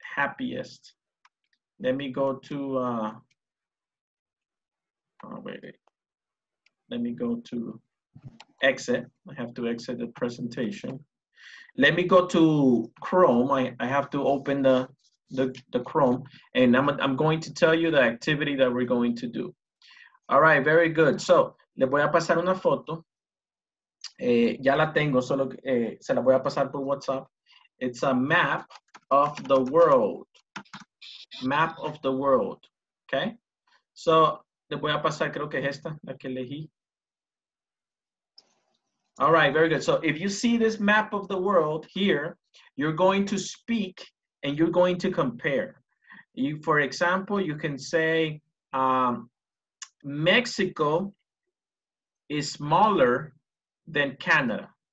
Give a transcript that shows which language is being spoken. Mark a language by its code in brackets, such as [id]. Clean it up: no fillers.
[en] Happiest. Let me go to, let me go to exit. I have to exit the presentation. Let me go to Chrome. I have to open the Chrome, and I'm going to tell you the activity that we're going to do. All right, very good. So, [es] le voy a pasar una foto. Ya la tengo, solo se la voy a pasar por WhatsApp. [en] It's a map of the world. Map of the world, okay? So, [es] le voy a pasar, creo que es esta, la que elegí. [en] All right, very good. So, if you see this map of the world here, you're going to speak and you're going to compare. You, for example, you can say Mexico is smaller than Canada.